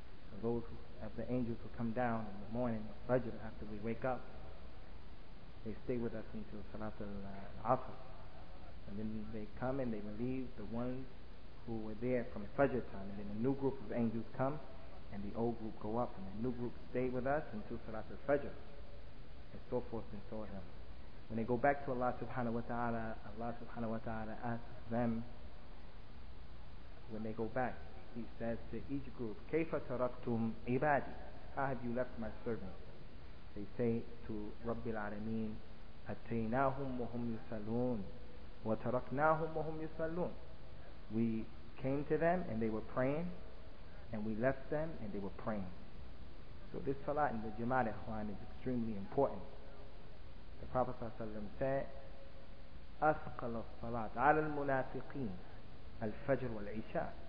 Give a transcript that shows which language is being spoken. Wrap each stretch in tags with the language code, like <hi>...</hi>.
<en>So those of the angels who come down in the morning of fajr, after we wake up, they stay with us until salat al-asr, and then they come and they relieve the ones who were there from fajr time, and then a new group of angels come and the old group go up, and the new group stay with us until salat al-fajr, and so forth and so on. When they go back to Allah subhanahu wa ta'ala, Allah subhanahu wa ta'ala asks them, when they go back, he says to each group, كَيْفَ تَرَكْتُمْ عِبَادِي? How have you left my servants?</en> <ar>They say to رَبِّ الْعَالَمِينَ, أَتَيْنَاهُمْ وَهُمْ يُسَلُّونَ وَتَرَكْنَاهُمْ وَهُمْ يُسَلُّونَ.</ar> <en>We came to them and they were praying, and we left them and they were praying. So this salah in the Jama'at, ikhwan, is extremely important.</en> <ar>The Prophet ﷺ said, أَثْقَلَ الصَّلَاةِ عَلَى الْمُنَافِقِينَ الْفَجْرُ وَالْعِشَاءِ.</ar>